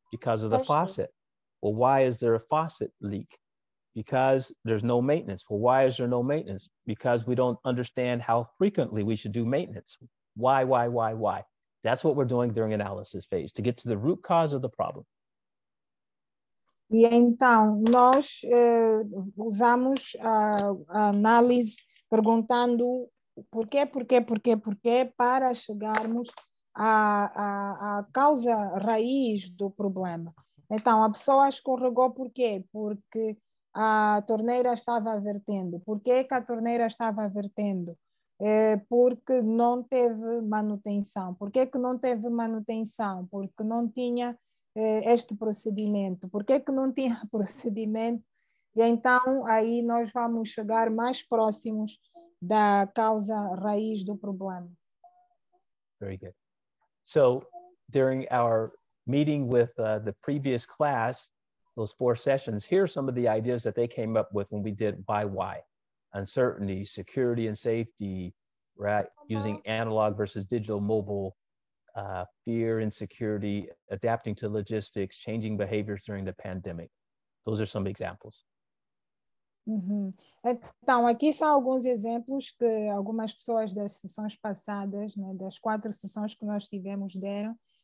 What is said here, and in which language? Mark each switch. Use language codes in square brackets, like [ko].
[en] Because of the faucet. Well, why is there a faucet leak? Because there's no maintenance. Well, why is there no maintenance? Because we don't understand how frequently we should do maintenance. Why? That's what we're doing during analysis phase, to get to the root cause of the problem. [pt] E então, nós usamos a análise perguntando por quê, para chegarmos à causa raiz do problema. Então, a pessoa escorregou por quê? Porque a torneira estava vertendo. Por que que a torneira estava vertendo? Porque não teve manutenção. Por que que não teve manutenção? Porque não tinha este procedimento. Por que que não tinha procedimento? E então, aí nós vamos chegar mais próximos da causa raiz do problema. [en] Very good. So, during our meeting with the previous class, those four sessions, here are some of the ideas that they came up with when we did why. Uncertainty, security and safety, right? Using analog versus digital mobile, fear and security, adapting to logistics, changing behaviors during the pandemic. Those are some examples. Uh-huh. [pt] Então, aqui são alguns exemplos que algumas pessoas das sessões passadas, né, das quatro sessões que nós tivemos, deram.